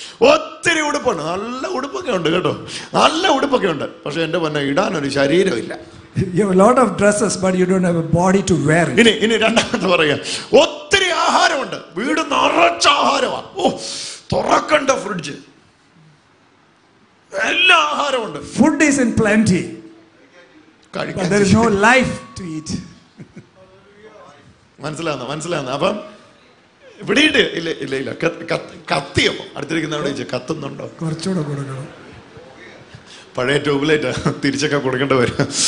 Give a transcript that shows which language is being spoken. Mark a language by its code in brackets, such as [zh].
[ml] ഒത്തിരി ഉടുപ്പുണ്ട്, നല്ല ഉടുപ്പൊക്കെ ഉണ്ട് കേട്ടോ, നല്ല ഉടുപ്പൊക്കെ ഉണ്ട്, പക്ഷെ എന്റെ പൊന്നെ ഇടാനൊരു ശരീരം ഇല്ല. [en] You have a lot of dresses, but you don't have a body to wear it. [ml] ഇനി രണ്ടാമത്തെ പറയാം, ഒത്തിരി ആഹാരമുണ്ട്, വീട് നിറച്ച ആഹാരമാ, ഓ തുറക്കണ്ട ഫ്രിഡ്ജ്, എല്ലാ ആഹാരമുണ്ട്. [en] Food is in plenty, but there is no life to eat. [ml] മനസ്സിലാവുന്നു. അപ്പം ഇവിടെ ഇല്ല ഇല്ല ഇല്ല, കത്തിയോ അടുത്തിരിക്കുന്ന അവിടെ കത്തുന്നുണ്ടോ? കുറച്ചുകൂടെ കൊടുക്കണം, പഴയ ട്യൂബ്ലൈറ്റ് തിരിച്ചൊക്കെ കൊടുക്കേണ്ടി വരും.